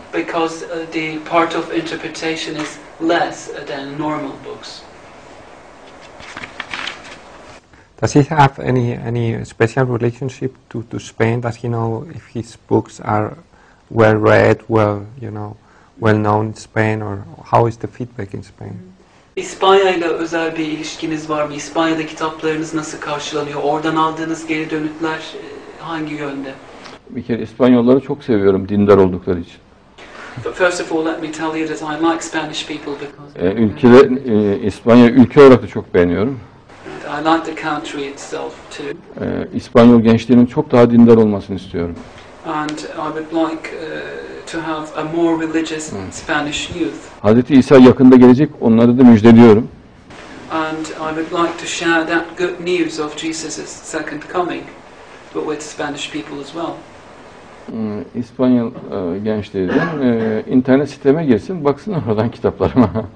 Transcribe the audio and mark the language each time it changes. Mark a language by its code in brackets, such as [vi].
[en] Because the part of interpretation is less than normal books. Does he have any special relationship to Spain? Does he know if his books are well read, well, you know, well known in Spain, or how is the feedback in Spain? [tr] İspanya ile özel bir ilişkiniz var mı? İspanya'da kitaplarınız nasıl karşılanıyor? Oradan aldığınız geri dönütler hangi yönde? Bir kere İspanyolları çok seviyorum, dindar oldukları için. [en] First of all, let me tell you that I like Spanish people because. [tr] Ülkede İspanya ülke olarak da çok beğeniyorum. [en] I like the country itself too. [tr] İspanyol gençlerin çok daha dindar olmasını istiyorum. [en] And I would like to have a more religious Spanish youth. [tr] Hazreti İsa yakında gelecek, onları da müjdeliyorum. [en] And I would like to share that good news of Jesus's second coming, but with Spanish people as well. [tr] İspanyol gençleri de internet siteme girsin, baksın oradan kitaplarıma.